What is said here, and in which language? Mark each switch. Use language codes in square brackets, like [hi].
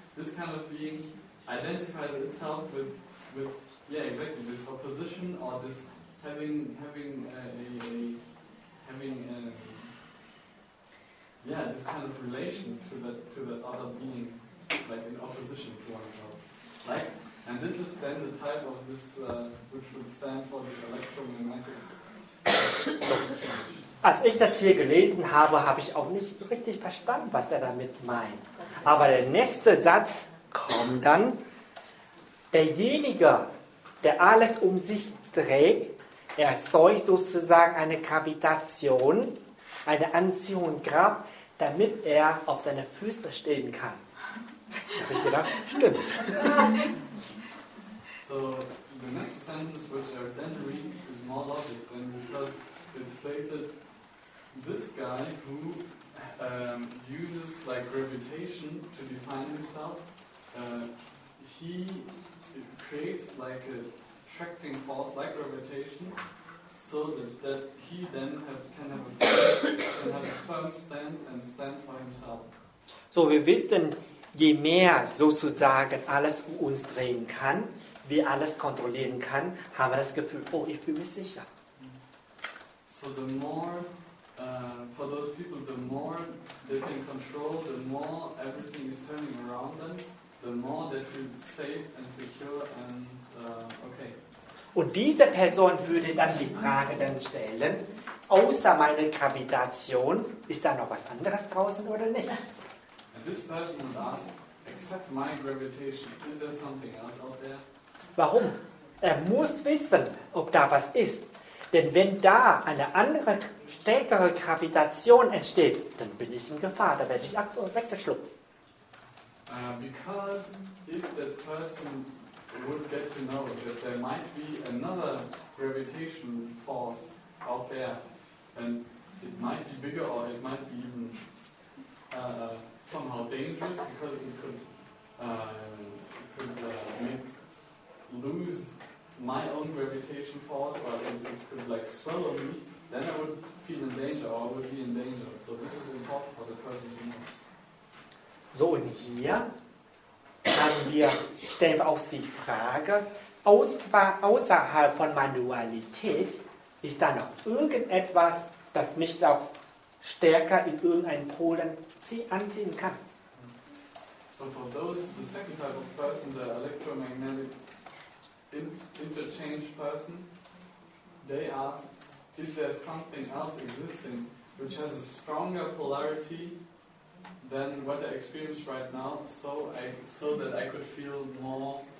[en] This kind of being identifies itself with yeah, exactly, this opposition or this having this kind of relation to that other being, like in opposition to oneself. Like, and this is then the type of this, which would stand for this electromagnetic. [de] Als ich das hier gelesen habe, habe ich auch nicht richtig verstanden, was er damit meint. Aber der nächste Satz kommt dann. Derjenige, der alles um sich trägt, erzeugt sozusagen eine Gravitation, eine Anziehungskraft, damit er auf seine Füße stehen kann. Da habe ich gedacht, stimmt. [en] So, the next sentence, which I then read, is more logic than because it stated this guy who uses like gravitation to define himself, he creates like a attracting force like gravitation, so that he then can have a firm stance and stand for himself. [de] So wir wissen, je mehr sozusagen alles um uns drehen kann, wir alles kontrollieren kann, haben wir das Gefühl, oh, ich fühle mich sicher. [en] So the more for those people, the more they can control, the more everything is turning around them, the more they feel safe and secure and okay. [de] Und diese Person würde dann die Frage dann stellen, außer meine Gravitation, ist da noch was anderes draußen oder nicht? [en] And this person would ask, except my gravitation, is there something else out there? [de] Warum? Er muss wissen, ob da was ist. Denn wenn da eine andere, stärkere Gravitation entsteht, dann bin ich in Gefahr, da werde ich weggeschluckt. [en] Because if that person would get to know that there might be another gravitation force out there, and it might be bigger or it might be even somehow dangerous, because it could lose my own gravitation force, or it could swallow me, then I would feel in danger, or I would be in danger. So this is important for the person to know. [de] So, und hier stellen wir auch die Frage, außerhalb von meiner Dualität, ist da noch irgendetwas, das mich auch stärker in irgendeinen Polen anziehen kann? [en] So for those, the second type of person, the electromagnetic interchange person, they ask, is there something else existing, which has a stronger polarity than what I experience right now, so that I could feel more.